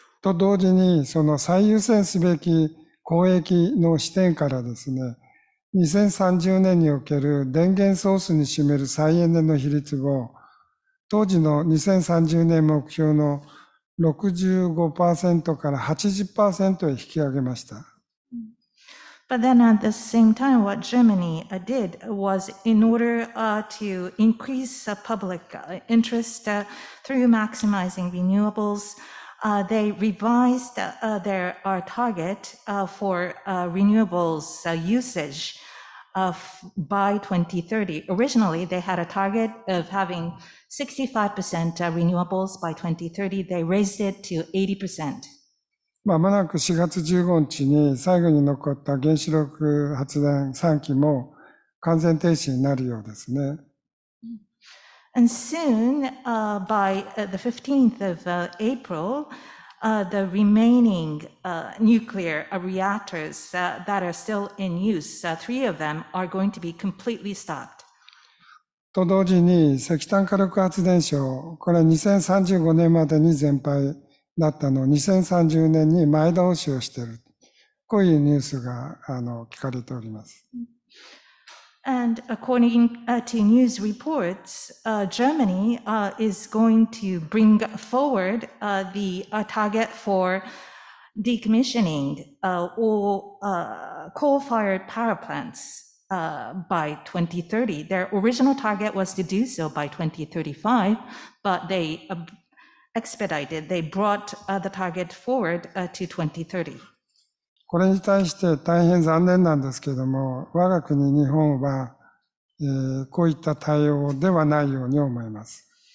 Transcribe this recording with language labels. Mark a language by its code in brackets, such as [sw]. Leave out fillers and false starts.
[ja] と同時にその最優先すべき公益の視点からですね、2030年における電源ソースに占める再エネの比率を当時の2030年目標の 65% から 80% へ引き上げました。 [en] But then at the same time, what Germany did was in order to increase public interest through maximizing renewables, They revised their target for renewables usage by 2030. Originally, they had a target of having 65% renewables by 2030. They raised it to 80%. [ja] まもなく4月15日に最後に残った原子力発電3基も完全停止になるようですね。 [en] And soon, by the 15th of April, the remaining nuclear reactors that are still in use, three of them are going to be completely stopped. [ja] と同時に石炭火力発電所、これ2035年までに全廃。だったのを2030年に前倒しをしている。こういうニュースが聞かれております。 [en] And according to news reports, Germany is going to bring forward the target for decommissioning all coal-fired power plants by 2030. Their original target was to do so by 2035, but they expedited. They brought the target forward to 2030. [ja] これに対して大変残念なんですけども、我が国日本は、こういった対応ではないように思います。